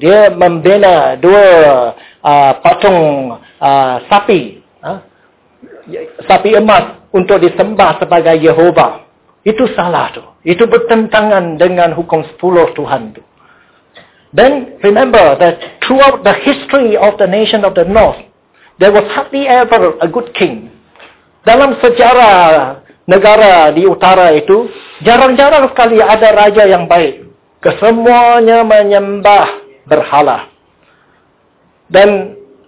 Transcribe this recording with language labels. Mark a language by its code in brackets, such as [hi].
[ms] Dia membina 2 patung sapi, sapi emas untuk disembah sebagai Yehovah. Itu salah tu. Itu bertentangan dengan hukum 10 Tuhan tu. [en] Then remember that throughout the history of the nation of the north, there was hardly ever a good king. [ms] Dalam sejarah negara di utara itu, jarang-jarang sekali ada raja yang baik. Kesemuanya menyembah berhala. Dan